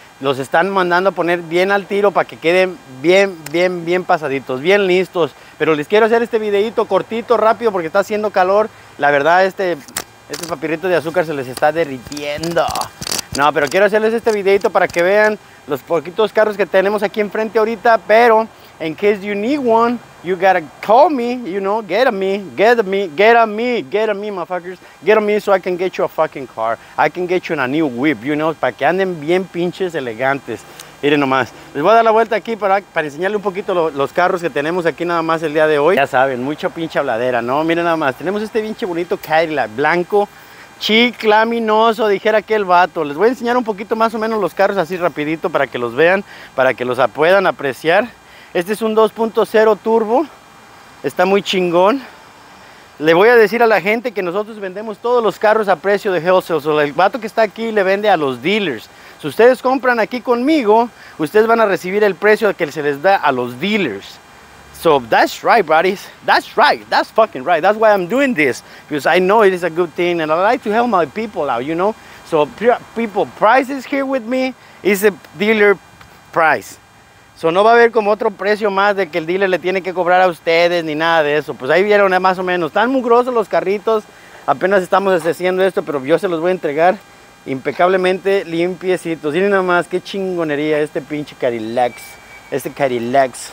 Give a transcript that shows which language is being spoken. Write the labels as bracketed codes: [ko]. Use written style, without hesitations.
[es] Los están mandando a poner bien al tiro para que queden bien, bien, bien pasaditos, bien listos. Pero les quiero hacer este videito cortito, rápido, porque está haciendo calor. La verdad, este papirrito de azúcar se les está derritiendo. No, pero quiero hacerles este videito para que vean los poquitos carros que tenemos aquí enfrente ahorita. [en] Pero, in case you need one, you gotta call me, you know, get a me, get a me, get a me, get a me, motherfuckers. Get a me so I can get you a fucking car. I can get you a new whip, you know, [es] para que anden bien pinches elegantes. Miren nomás, les voy a dar la vuelta aquí para enseñarle un poquito los carros que tenemos aquí nada más el día de hoy. Ya saben, mucha pinche habladera, ¿no? Miren nada más, tenemos este pinche bonito Cadillac blanco, chiclaminoso, dijera aquel vato. Les voy a enseñar un poquito más o menos los carros así rapidito para que los vean, para que los puedan apreciar. Este es un 2.0 turbo, está muy chingón. Le voy a decir a la gente que nosotros vendemos todos los carros a precio de wholesale. So, el vato que está aquí le vende a los dealers. Si ustedes compran aquí conmigo, ustedes van a recibir el precio que se les da a los dealers. [en] So that's right, buddies. That's right. That's fucking right. That's why I'm doing this. Because I know it is a good thing and I like to help my people out, you know. So people, prices here with me is a dealer price. [es] So no va a haber como otro precio más de que el dealer le tiene que cobrar a ustedes ni nada de eso. Pues ahí vieron más o menos. Están mugrosos los carritos. Apenas estamos haciendo esto, pero yo se los voy a entregar impecablemente limpiecitos. Miren nada más qué chingonería este pinche Cadillac. Este Cadillac.